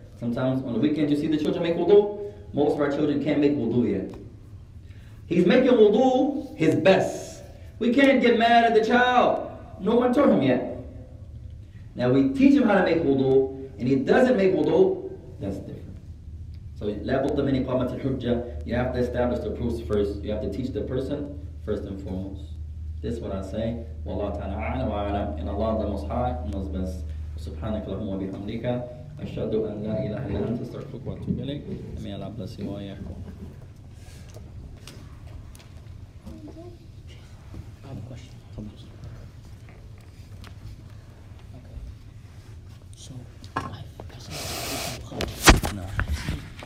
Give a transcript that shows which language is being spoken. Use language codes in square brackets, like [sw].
[en] Sometimes on the weekends you see the children make wudu. Most of our children can't make wudu yet. He's making wudu his best. We can't get mad at the child. No one taught him yet. Now we teach him how to make wudu, and he doesn't make wudu, that's different. [ar] So لَابُدَّ مِنْ إِقَامَةِ الْحُجَّةِ. [en] You have to establish the proofs first. You have to teach the person first and foremost. This is what I say. [ar] وَاللَّهُ تَعَالَىٰ أَعْلَىٰ وَأَعْلَىٰ. [en] In Allah, the Most High, knows best. [ar] سبحانك اللهم وبحمدك أشهد أن لا إله إلا أنت أستغفرك وأتوب إليك. [en] May Allah bless you all. So, I've got some questions. No.